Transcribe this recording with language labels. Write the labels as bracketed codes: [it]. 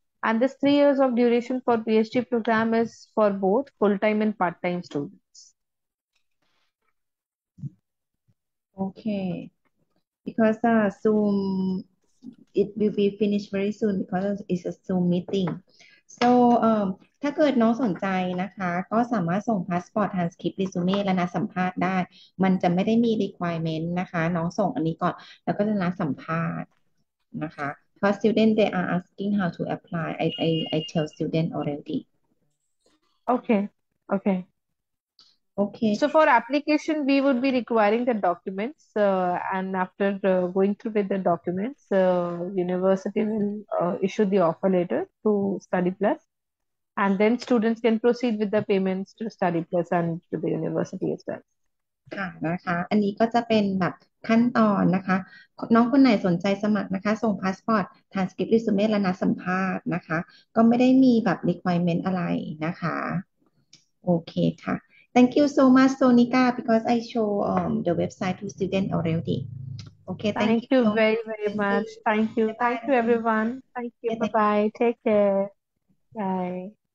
[en] And this 3 years of duration for PhD program is for both full-time and part-time students. Okay. Because Zoom, it will be finished very soon because it's a Zoom meeting. [th] So, ถ้าเกิดน้องสนใจนะคะก็สามารถส่งพาสปอร์ตทรานสคริปต์รีซูเม่และนัดสัมภาษณ์ได้มันจะไม่ได้มี requirement นะคะน้องส่งอันนี้ก่อนแล้วก็จะนัดสัมภาษณ์นะคะ [en] Because students they are asking how to apply I tell students already. Okay. Okay. So for application, we would be requiring the documents, and after going through with the documents, university will issue the offer letter to Studyplus, and then students can proceed with the payments to Studyplus and to the university as well. [th] ค่ะนะคะอันนี้ก็จะเป็นแบบขั้นตอนนะคะน้องคนไหนสนใจสมัครนะคะส่งพาสปอร์ตทรานสคริปต์รีซูเม่และนัดสัมภาษณ์นะคะก็ไม่ได้มีแบบ requirement อะไรนะคะโอเคค่ะ [en] thank you so much Sonika because I show the website to student already okay thank you very very much thank you everyone thank you bye bye take care bye